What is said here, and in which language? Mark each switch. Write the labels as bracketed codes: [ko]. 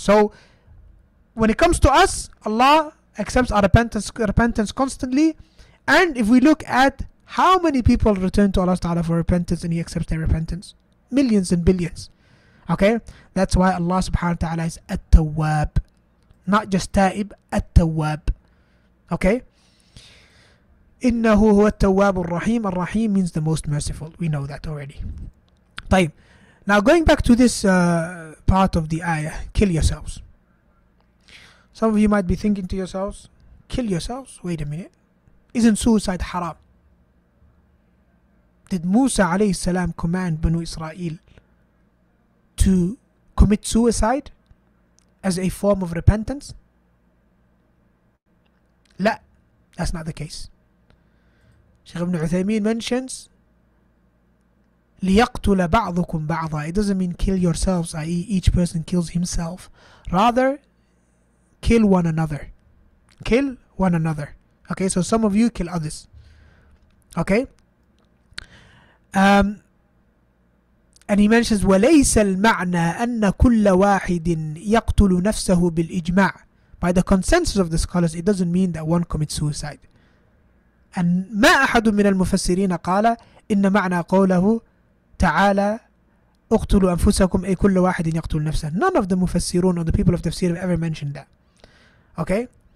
[en] So when it comes to us, Allah accepts our repentance constantly. And if we look at how many people return to Allah Ta'ala for repentance and He accepts their repentance, millions and billions. Okay, that's why Allah Subhanahu wa Ta'ala is At-Tawwab, not just Ta'ib, At-Tawwab. [ar] Okay, إِنَّهُ هُوَ التَّوَّابُ الرَّحِيمُ. [en] Al-Rahim means the most merciful. We know that already. طيب. Now going back to this part of the ayah, kill yourselves. Some of you might be thinking to yourselves, kill yourselves? Wait a minute. Isn't suicide haram? Did Musa alayhi salam command Banu Israel to commit suicide as a form of repentance? La, that's not the case. Shaykh ibn Uthaymeen mentions, [ar] لِيَقْتُلَ بَعْضُكُمْ بَعْضًا. [en] It doesn't mean kill yourselves, i.e. each person kills himself. Rather, kill one another. Kill one another. Okay, so some of you kill others. Okay? And he mentions, [ar] وَلَيْسَ الْمَعْنَى أَنَّ كُلَّ وَاحِدٍ يَقْتُلُ نَفْسَهُ بِالْإِجْمَعِ. [en] By the consensus of the scholars, it doesn't mean that one commits suicide. And [ar] مَا أَحَدٌ مِنَ الْمُفَسِّرِينَ قَالَ إِنَّ مَعْنَى قَوْلَهُ تَعَالَى اُقْتُلُوا أَنفُسَكُمْ أَيْ كُلَّ وَاحِدٍ يَقْتُلُ نَفْسَهُ. [en] None of the Mufassirun or the people of Tafsir have ever mentioned that. Okay?